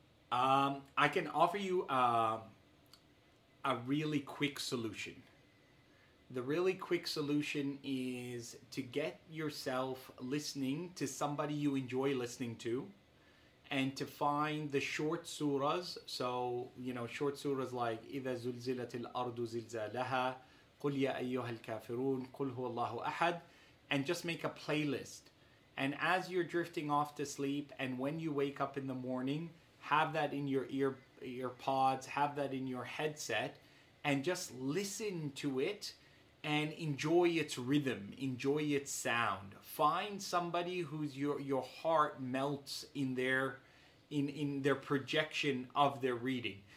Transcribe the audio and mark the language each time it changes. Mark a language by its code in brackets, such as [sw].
[en] I can offer you a really quick solution. The really quick solution is to get yourself listening to somebody you enjoy listening to and to find the short surahs. So, you know, short surahs like [ar] إِذَا زُلْزِلَتِ الْأَرْضُ زِلْزَالَهَا قُلْ يَا أَيُّهَا الْكَافِرُونَ قُلْ هُوَ اللَّهُ أَحَدٌ, [en] and just make a playlist. And as you're drifting off to sleep and when you wake up in the morning, have that in your ear pods, have that in your headset, and just listen to it and enjoy its rhythm, enjoy its sound. Find somebody whose your heart melts in their projection of their reading.